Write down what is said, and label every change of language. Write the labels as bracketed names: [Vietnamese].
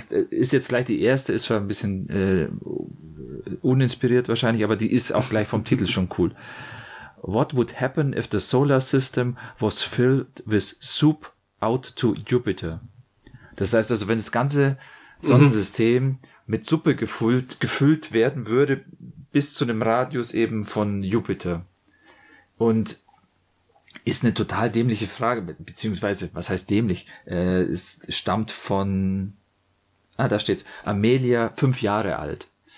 [German] Ist jetzt gleich die erste, ist zwar ein bisschen uninspiriert wahrscheinlich, aber die ist auch gleich vom Titel schon cool. [English] What would happen if the solar system was filled with soup out to Jupiter? [German] Das heißt also, wenn das ganze Sonnensystem mit Suppe gefüllt werden würde, bis zu einem Radius eben von Jupiter. Und ist eine total dämliche Frage, beziehungsweise, was heißt dämlich? Es stammt von, da steht's, Amelia, 5 Jahre alt.